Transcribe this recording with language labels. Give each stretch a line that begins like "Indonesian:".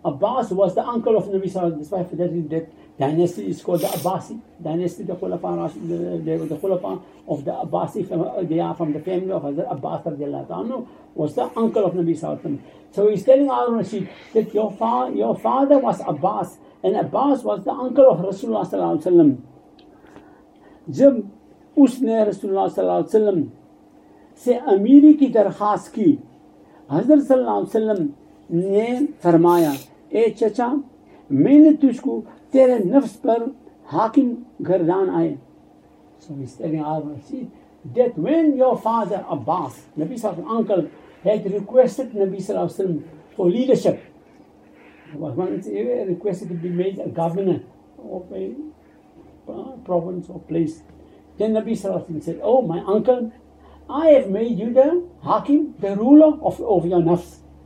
English: Abbas was the uncle of Nabi Sallallahu Alaihi Wasallam. That's why that dynasty is called the Abbasi dynasty, the Khulafa of the Abbasi, they are from the family of Hazrat Abbas radiallahu ta'ala, was the uncle of Nabi Sallallahu Alaihi Wasallam. So he's telling Harun Rashid that your father was Abbas, and Abbas was the uncle of Rasulullah Sallallahu Alaihi Wasallam.
Urdu: جب اس نے رسول اللہ صلی اللہ علیہ وسلم سے امیری کی درخواست کی, حضرت صلی اللہ علیہ وسلم نے فرمایا, اے چچا, میں نے تجھ کو تیرے نفس پر حاکم گردان آئے.
English: So he's telling Harun Rashid that when your father Abbas, Nabi Sallallahu Alaihi Wasallam's uncle, had requested Nabi Sallallahu Alaihi Wasallam for leadership, requested to be made a governor of a province or place, then Nabi Sallallahu Alaihi Wasallam said, "Oh, my uncle, I have made you the hakim, the ruler of your nafs.